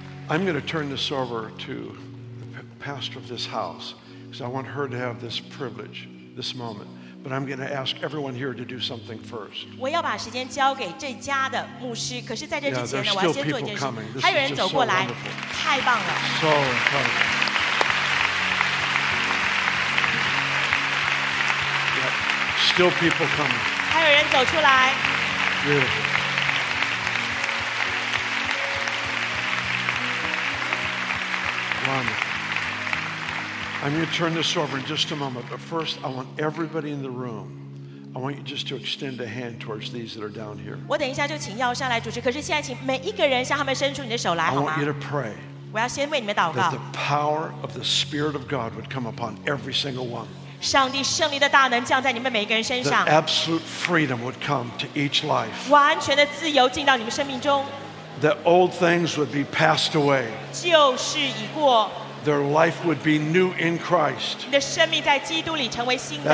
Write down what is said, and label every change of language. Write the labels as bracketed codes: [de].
[en] I'm going to turn this over to the pastor of this house because I want her to have this privilege, this moment. But I'm going to ask everyone here to do something first. [zh] 我要把时间交给这家的牧师。可是在这之前呢，我要先做一件事。 [en] Yeah, there's still people coming. This is just so wonderful. [zh] 太棒了。 [en] So incredible. Yeah, still people coming. [zh] 还有人走出来。 [en] Beautiful. Wonderful. I'm going to turn this over in just a moment, but first I want everybody in the room, I want you just to extend a hand towards these that are down here. [zh] 我等一下就请耀上来主持，可是现在请每一个人向他们伸出你的手来，好吗？ [en] I want you to pray. [zh] 我要先为你们祷告。 [en] That the power of the Spirit of God would come upon every single one. [zh] 上帝胜利的大能降在你们每一个人身上。 [en] That absolute freedom would come to each life. [zh] 完全的自由进到你们生命中。 [en] That old things would be passed away. [zh] 旧事已过。 [en] Their life would be new in Christ. [zh] 你的生命在基督里成为新的。